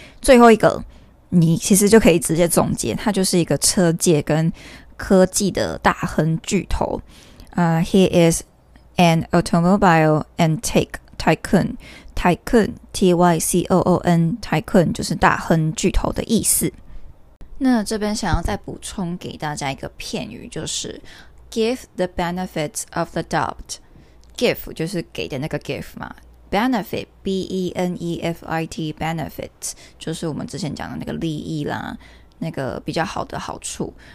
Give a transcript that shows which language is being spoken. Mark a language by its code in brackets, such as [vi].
[zh] 最后一个你其实就可以直接总结，他就是一个车界跟科技的大亨巨头。 [en] He is an automobile and techTycoon， T-Y-C-O-O-N， Tycoon [zh] 就是大亨巨头的意思。那这边想要再补充给大家一个片语，就是 [en] Give the benefits of the doubt。 [zh] Give 就是给的那个 give 嘛， Benefit， B-E-N-E-F-I-T， Benefit 就是我们之前讲的那个利益啦，那个比较好的好处。